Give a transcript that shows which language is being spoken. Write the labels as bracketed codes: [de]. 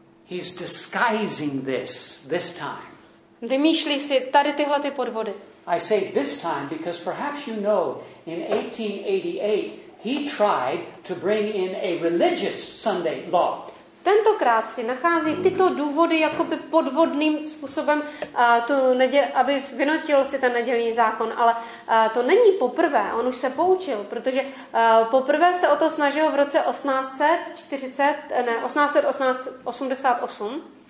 [en] He's disguising this time. [cs] Vymýšlí si tady tyhle ty podvody. [en] I say this time because perhaps you know in 1888 he tried to bring in a religious Sunday law. [cs] Tentokrát si nachází tyto důvody jakoby podvodným způsobem, aby vynutil si ten nedělní zákon, ale to není poprvé, on už se poučil, protože poprvé se o to snažil v roce 1888.